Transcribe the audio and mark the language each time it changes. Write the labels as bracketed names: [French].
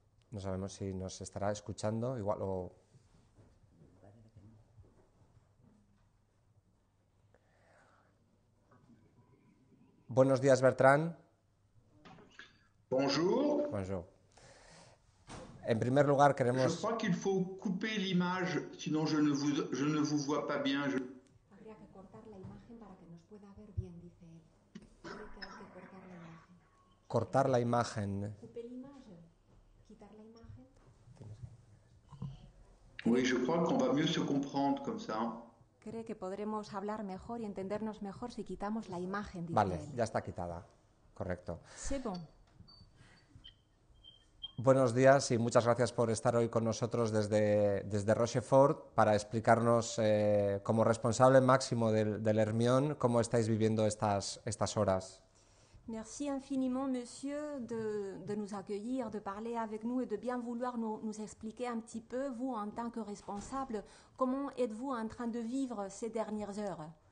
[Spanish] No sabemos si nos estará escuchando, igual o... Buenos días, Bertrand. [French] Bonjour. Bonjour. [Spanish] En primer lugar, queremos... [French] Je crois qu'il faut couper l'image, sinon je ne vous vois pas bien. [Spanish] Habría que cortar la imagen para que nos pueda ver bien, dice él. Habría que cortar la imagen. cortar la imagen. [French] Couper l'image, [Spanish] quitar la imagen. [French] Oui, je crois qu'on va mieux se comprendre comme ça. [Spanish] ¿Cree que podremos hablar mejor y entendernos mejor si quitamos la imagen? Vale, él. Ya está quitada. Correcto. [French] C'est bon. [Spanish] Buenos días y muchas gracias por estar hoy con nosotros desde Rochefort para explicarnos, como responsable máximo del Hermione, cómo estáis viviendo estas horas. [French] Merci infiniment, monsieur, de nous accueillir, de parler avec nous et de bien vouloir nous expliquer un petit peu, vous, en tant que responsable, comment êtes-vous en train de vivre ces dernières heures.